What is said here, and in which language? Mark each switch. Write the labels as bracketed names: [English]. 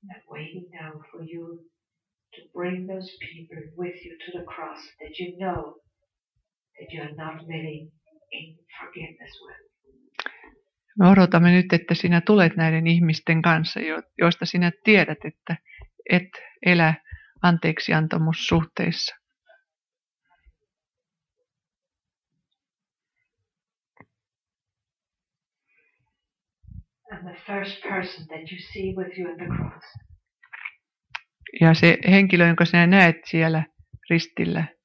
[English] Waiting now for you to bring those people with you to the cross that you know that you are not living in forgiveness with. [Finnish] Me odotamme nyt, että sinä tulet näiden ihmisten kanssa, joista sinä tiedät, että et elä anteeksiantamussuhteissa. [English] And the first person that you see with you at the cross. [Finnish] Ja se henkilö, jonka sinä näet siellä ristillä.